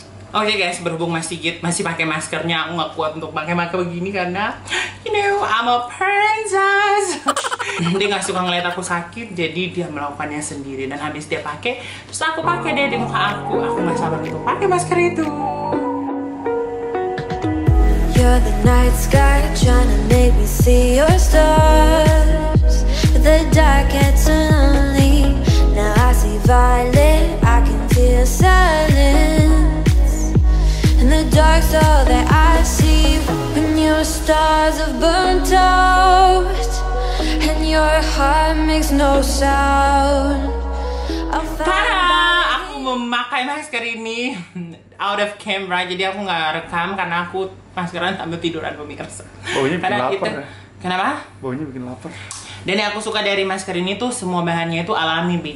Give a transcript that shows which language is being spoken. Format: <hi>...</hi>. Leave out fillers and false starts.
<id>Oke guys, berhubung masih Sigit masih pakai maskernya, aku nggak kuat untuk pakai masker begini karena,</id> <en>you know, I'm a princess.</en> <id>Dia nggak suka ngeliat aku sakit, jadi dia melakukannya sendiri. Dan habis dia pakai, terus aku pakai deh di muka aku. Aku nggak sabar untuk pakai masker itu.</id> <en>You're the night sky trying to make me see your stars. The dark gets lonely. Now I see violet, I can feel silence. And the dark's all that I see when your stars have burnt out. Your heart makes no sound.</en> <id>Tara, aku memakai masker ini</id> <en>out of camera,</en> <id>jadi aku gak rekam karena aku maskeran sambil tiduran pemirsa. Baunya bikin lapar ya. Kenapa? Baunya bikin lapar. Dan yang aku suka dari masker ini tuh semua bahannya itu alami, Bi.</id>